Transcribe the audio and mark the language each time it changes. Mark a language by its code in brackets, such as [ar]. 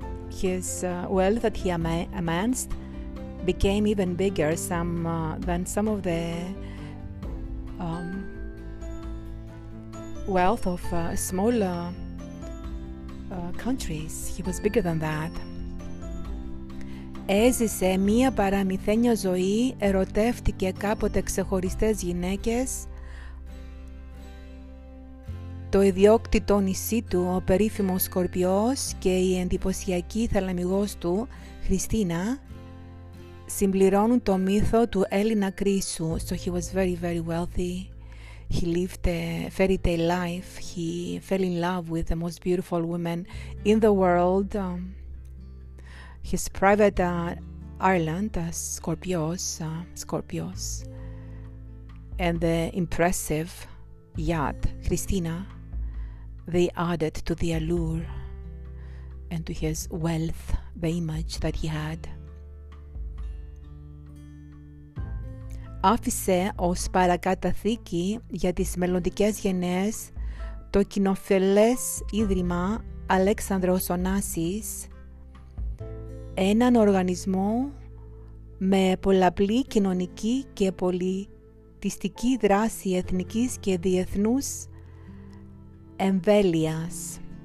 [en] His wealth that he amassed became even bigger than some of the wealth of smaller countries. He was bigger than that. [el] Έζησε μία παραμυθένια ζωή, ερωτεύτηκε κάποτε ξεχωριστές γυναίκες. το ιδιόκτητο νησί του ο περίφημος Σκορπιός και η εντυπωσιακή θαλαμιγός του Χριστίνα συμπληρώνουν το μύθο του Έλληνα Κρίσου. [en] So he was very, very wealthy. He lived a fairy tale life. He fell in love with the most beautiful woman in the world. His private island, Scorpios, and the impressive yacht, Christina, they added to the allure and to his wealth, the image that he had. [el] Άφησε ως παρακαταθήκη για τις μελλοντικές γενναίες το κοινοφελές ίδρυμα Αλέξανδρος Ωνάσης, έναν οργανισμό με πολλαπλή κοινωνική και πολιτιστική δράση εθνικής και διεθνούς εμβέλειας.